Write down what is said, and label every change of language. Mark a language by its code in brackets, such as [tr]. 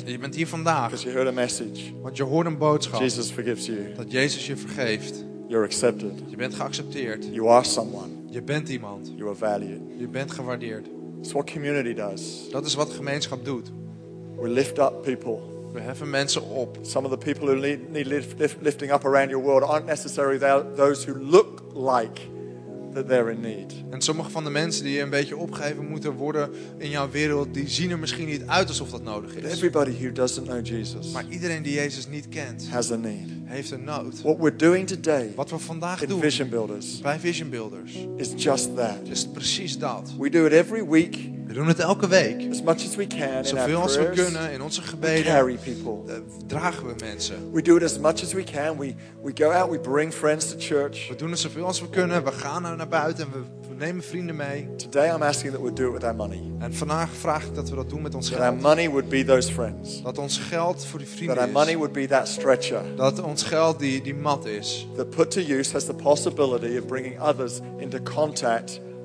[nl] En je bent hier vandaag. [en] Because you heard a message. [nl] Want je hoort een boodschap. [en] Jesus forgives you. [nl] Dat Jezus je vergeeft. [en] You're accepted. [nl] Je bent geaccepteerd. [en] You are someone. [nl] Je bent iemand. [en] You are valued. [nl] Je bent gewaardeerd. [en] It's what community does. [nl] Dat is wat gemeenschap doet. [en] We lift up people. [nl] We heffen mensen op. [en] Some of the people who need lifting up around your world aren't necessarily those who look like that they're in need. [nl] En sommige van de mensen die je een beetje opgeheven moeten worden in jouw wereld, die zien er misschien niet uit alsof dat nodig is. [en] Everybody who doesn't know Jesus. [nl] Maar iedereen die Jezus niet kent, [en] has a need. [nl] Heeft een nood. [en] What we're doing today, [nl] wat we vandaag [en] in [nl] doen, [en] Vision Builders, [nl] bij Vision Builders, [en] is just that. [nl] Is precies dat. [en] We do it every week. [nl] We doen het elke week. [en] As much as we can, [nl] zoveel als we kunnen in onze gebeden. [en] We carry people. [nl] Dragen we mensen. [en] We do it as much as we can. We go out. We bring friends to church. [nl] We doen het zoveel als we kunnen. We gaan naar buiten en we nemen vrienden mee. [en] Today I'm asking that we do it with our money. [nl] En vandaag vraag ik dat we dat doen met ons [en] that [nl] geld. [en] Our money would be those friends. [nl] Dat ons geld voor die vrienden [en] that [nl] is. [en] Our money would be that stretcher. [nl] Dat ons geld die mat is. [en] That put to use has the possibility of bringing others into contact.